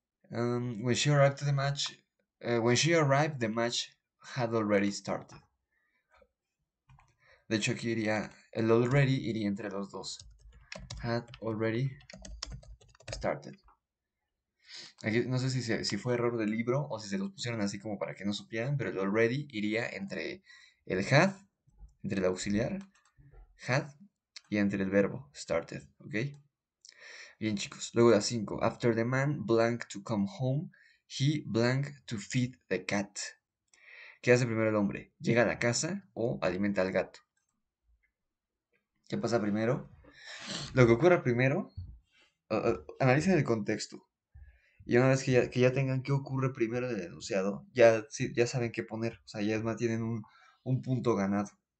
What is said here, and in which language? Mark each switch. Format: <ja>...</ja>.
<en>When she arrived to the match, when she arrived, the match had already started.</en> <es>De hecho, aquí iría el already, iría entre los dos.</es> <en>Had already started.</en> <es>Aquí, no sé si fue error del libro o si se los pusieron así como para que no supieran, pero el already iría entre el had, entre el auxiliar, had, y entre el verbo started, ¿ok? Bien, chicos. Luego la 5.</es> <en>After the man blank to come home, he blank to feed the cat.</en> <es>¿Qué hace primero el hombre? ¿Llega a la casa o alimenta al gato? ¿Qué pasa primero? Lo que ocurra primero, analicen el contexto. Y una vez que ya tengan qué ocurre primero en el enunciado, ya, sí, ya saben qué poner. O sea, ya es más, tienen un punto ganado.</es>